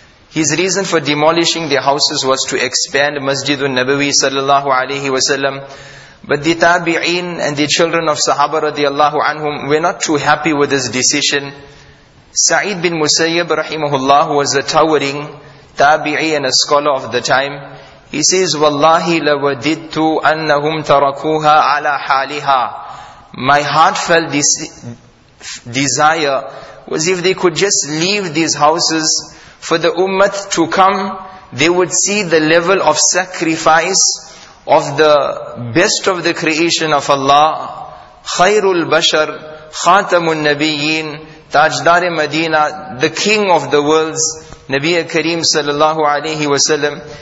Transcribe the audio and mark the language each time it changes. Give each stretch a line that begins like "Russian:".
English: His reason for demolishing the houses was to expand Masjid al-Nabawi sallallahu alayhi wa sallam. But the Tabi'een and the children of Sahaba radiallahu anhum were not too happy with this decision. Sa'id bin Musayyib rahimahullah was a towering Tabi'i and a scholar of the time. He says,
Arabic: وَاللَّهِ لَوَدِدْتُ أَنَّهُمْ تَرَكُوهَا عَلَى حَالِهَا.
English: My heartfelt desire was if they could just leave these houses for the ummah to come, they would see the level of sacrifice of the best of the creation of Allah, Khairul Bashar, Khatamun Nabiyyin, Tajdar Madina, the King of the worlds, Nabi Kareem sallallahu alayhi wa sallam.